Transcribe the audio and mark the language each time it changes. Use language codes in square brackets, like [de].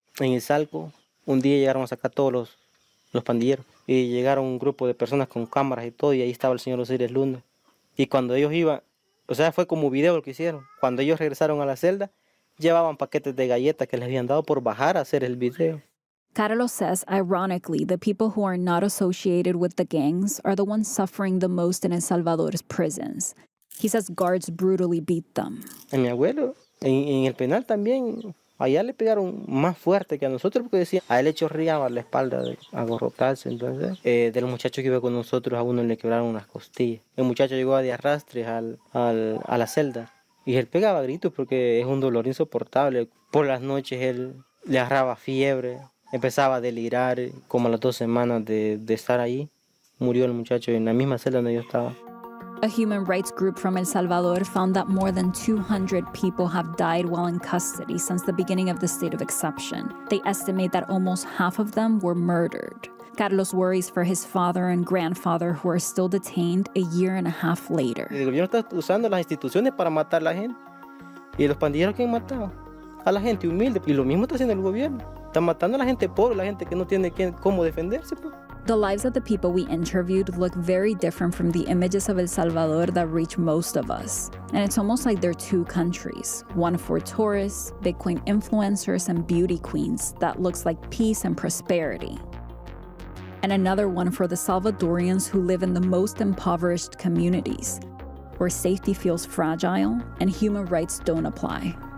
[es] En El Salco, un día llegaron a sacar todos los pandilleros. Y llegaron un grupo de personas con cámaras y todo, y ahí estaba el señor Osiris Luna. Y cuando ellos iban, o sea, fue como video lo que hicieron. Cuando ellos regresaron a la celda, llevaban paquetes de galletas que les habían dado por bajar a hacer el video. [en] Carlos says, ironically, the people who are not associated with the gangs are the ones suffering the most in El Salvador's prisons. He says guards brutally beat them. [es] A mi abuelo, en el penal también, allá le pegaron más fuerte que a nosotros porque decía, a él le chorreaba la espalda de agarrotarse, entonces. De los muchachos que iba con nosotros, a uno le quebraron unas costillas. El muchacho llegó de arrastre a la celda. Y él pegaba gritos porque es un dolor insoportable. Por las noches él le agarraba fiebre, empezaba a delirar. Como a las 2 semanas de estar ahí, murió el muchacho en la misma celda donde yo estaba. [en] A human rights group from El Salvador found that more than 200 people have died while in custody since the beginning of the state of exception. They estimate that almost half of them were murdered. Carlos worries for his father and grandfather, who are still detained a year and a half later. [es] El gobierno está usando las instituciones para matar a la gente. Y los pandilleros que han matado a la gente humilde. Y lo mismo está haciendo el gobierno. Está matando a la gente pobre, la gente que no tiene quien, cómo defenderse. [en] The lives of the people we interviewed look very different from the images of El Salvador that reach most of us. And it's almost like they're two countries, one for tourists, Bitcoin influencers, and beauty queens that looks like peace and prosperity. And another one for the Salvadorians who live in the most impoverished communities, where safety feels fragile and human rights don't apply.